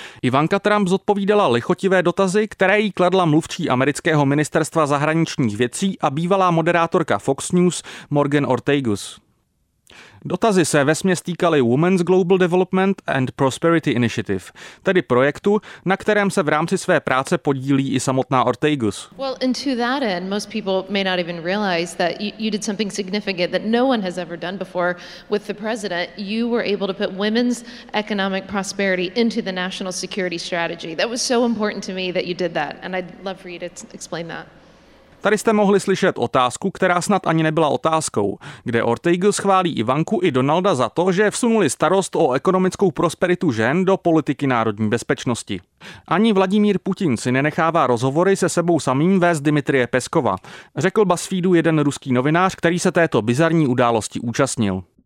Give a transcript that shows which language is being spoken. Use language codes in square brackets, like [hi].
[cs] Ivanka Trump zodpovídala lichotivé dotazy, které jí kladla mluvčí amerického ministerstva zahraničních věcí a bývalá moderátorka Fox News Morgan Ortegus. Dotazy se vesměs týkaly Women's Global Development and Prosperity Initiative, tedy projektu, na kterém se v rámci své práce podílí i samotná Ortegus. [en] Well, and to that end, most people may not even realize that you did something significant that no one has ever done before with the president. You were able to put women's economic prosperity into the national security strategy. That was so important to me that you did that, and I'd love for you to explain that. [cs] Tady jste mohli slyšet otázku, která snad ani nebyla otázkou, kde Ortegus chválí Ivanku i Donalda za to, že vsunuli starost o ekonomickou prosperitu žen do politiky národní bezpečnosti. Ani Vladimír Putin si nenechává rozhovory se sebou samým vést Dmitrije Peskova, řekl BuzzFeedu jeden ruský novinář, který se této bizarní události účastnil.